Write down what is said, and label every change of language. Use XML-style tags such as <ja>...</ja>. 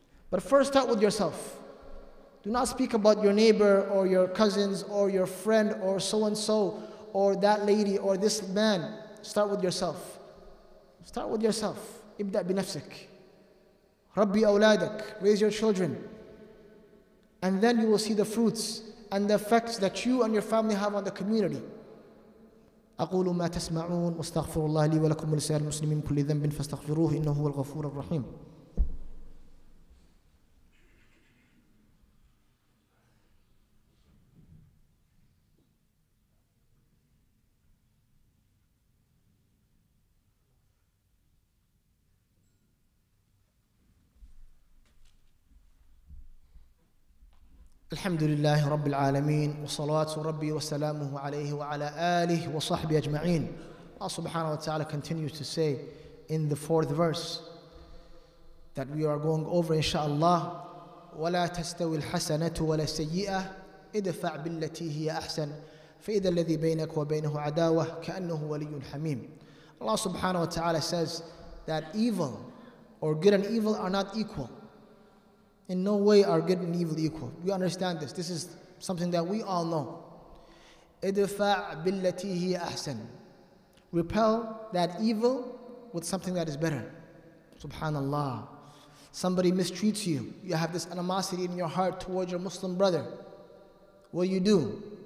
<en>But first start with yourself. Do not speak about your neighbor or your cousins or your friend or so-and-so or that lady or this man. Start with yourself. Start with yourself.</en> <ar>Ibda' bi nafsik. Rabbi awladak.</ar> <en>Raise your children. And then you will see the fruits and the effects that you and your family have on the community.</en> <ar>أقول ما تسمعون واستغفر الله لي ولكم ولسائر المسلمين كل ذنب فاستغفروه إنه هو الغفور الرحيم الحمد لله رب العالمين وصلاة ربي وسلامه عليه وعلى آله وصحبه أجمعين الله سبحانه وتعالى</ar> <en>continues to say in the fourth verse that we are going over</en> <ar>إن شاء الله ولا تستوي الحسنة ولا السيئة ادفع بالتي هي أحسن فإذا الذي بينك وبينه عداوة كأنه ولي حميم الله سبحانه وتعالى</ar> <en>says that evil or good and evil are not equal. In no way are good and evil equal. We understand this. This is something that we all know.</en> <ar>اِدْفَعْ بِالَّتِي هِيَ أَحْسَنْ</ar> <en>Repel that evil with something that is better. Subhanallah. Somebody mistreats you. You have this animosity in your heart towards your Muslim brother. What you do?</en>